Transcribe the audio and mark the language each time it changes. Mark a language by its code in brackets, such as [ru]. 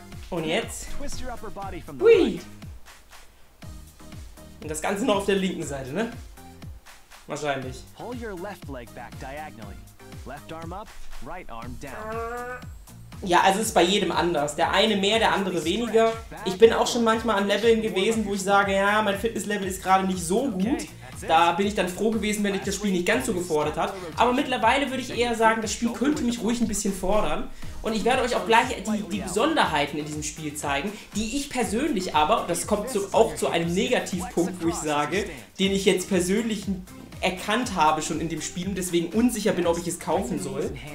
[de] Und jetzt. Hui! Und das Ganze noch auf der linken Seite, ne? Wahrscheinlich. [en] Pull your left leg back diagonally. Left arm up, right arm down. [de] Ja, also es ist bei jedem anders. Der eine mehr, der andere weniger. Ich bin auch schon manchmal an Leveln gewesen, wo ich sage, ja, mein Fitnesslevel ist gerade nicht so gut. Da bin ich dann froh gewesen, wenn ich das Spiel nicht ganz so gefordert hat. Aber mittlerweile würde ich eher sagen, das Spiel könnte mich ruhig ein bisschen fordern. Und ich werde euch auch gleich die Besonderheiten in diesem Spiel zeigen, die ich persönlich aber, und das kommt auch zu einem Negativpunkt, wo ich sage, den ich jetzt persönlich erkannt habe schon in dem Spiel und deswegen unsicher bin, ob ich es kaufen soll.